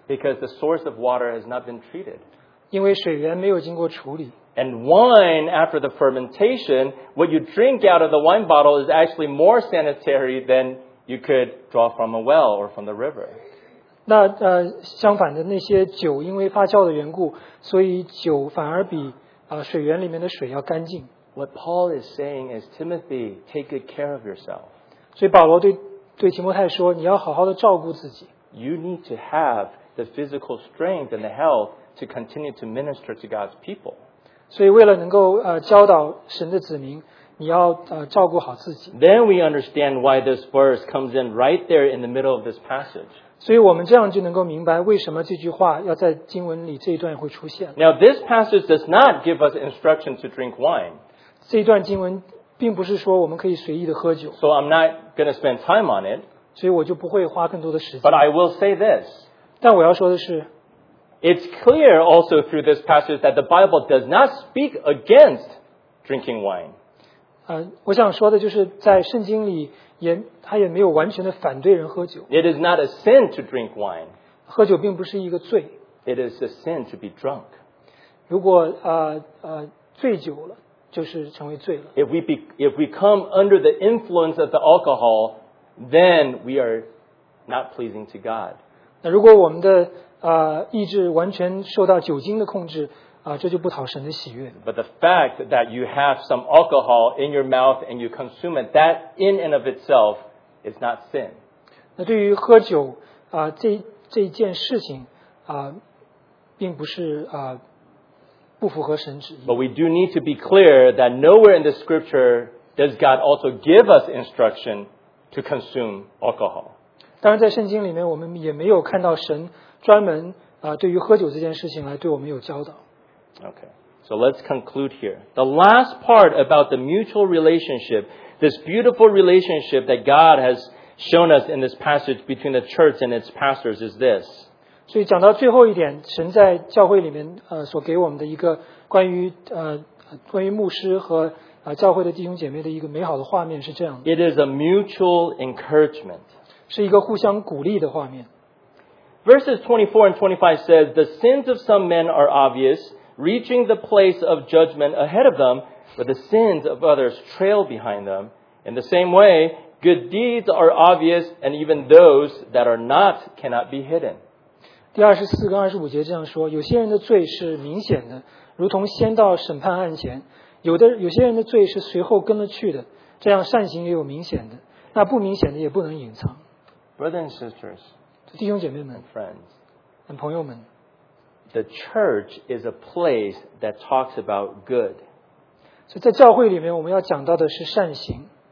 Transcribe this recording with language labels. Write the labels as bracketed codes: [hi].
[en] Because the source of water has not been treated. [zh] 因为水源没有经过处理。 [en] And wine, after the fermentation, what you drink out of the wine bottle is actually more sanitary than you could draw from a well or from the river. [zh] 那相反的，那些酒因为发酵的缘故，所以酒反而比水源里面的水要干净。 [en] What Paul is saying is, Timothy, take good care of yourself. [zh] 所以保罗对提摩太说，你要好好的照顾自己。 [en] You need to have the physical strength and the health to continue to minister to God's people. [zh] 所以为了能够教导神的子民，你要照顾好自己。 [en] Then we understand why this verse comes in right there in the middle of this passage. [zh] 所以我们这样就能够明白为什么这句话要在经文里这一段会出现。 [en] Now this passage does not give us instruction to drink wine. [zh] 这一段经文并不是说我们可以随意的喝酒。 [en] So I'm not going to spend time on it. [zh] 所以我就不会花更多的时间。 [en] But I will say this. [zh] 但我要说的是， [en] It's clear also through this passage that the Bible does not speak against drinking wine. [zh] 我想说的就是在圣经里它也没有完全的反对人喝酒。 [en] It is not a sin to drink wine. [zh] 喝酒并不是一个罪。 [en] It is a sin to be drunk. [zh] 如果醉酒了，就是成为罪了。 [en] If we come under the influence of the alcohol, then we are not pleasing to God. [zh] 那如果我们的意志完全受到酒精的控制，这就不讨神的喜悦。 [en] But the fact that you have some alcohol in your mouth and you consume it, that in and of itself is not sin. [zh] 那对于喝酒这件事情并不是不符合神旨意。 [en] But we do need to be clear that nowhere in the scripture does God also give us instruction to consume alcohol. [zh] 当然在圣经里面我们也没有看到神专门对于喝酒这件事情来对我们有教导。 [en] Okay, so let's conclude here. The last part about the mutual relationship, this beautiful relationship that God has shown us in this passage between the church and its pastors is this. [zh] 所以讲到最后一点，神在教会里面所给我们的一个关于关于牧师和教会的弟兄姐妹的一个美好的画面是这样的。 [en] It is a mutual encouragement. [zh] 是一个互相鼓励的画面。 [en] Verses 24 and 25 says, the sins of some men are obvious, reaching the place of judgment ahead of them, but the sins of others trail behind them. In the same way, good deeds are obvious, and even those that are not cannot be hidden. [zh] 第24跟25节这样说，有些人的罪是明显的，如同先到审判案前，有些人的罪是随后跟了去的，这样善行也有明显的，那不明显的也不能隐藏。 [en] Brothers and sisters, [zh] 弟兄姐妹们 [en] and friends, [zh] and 朋友们 [en] the church is a place that talks about good. [zh] 所以在教会里面我们要讲到的是善行。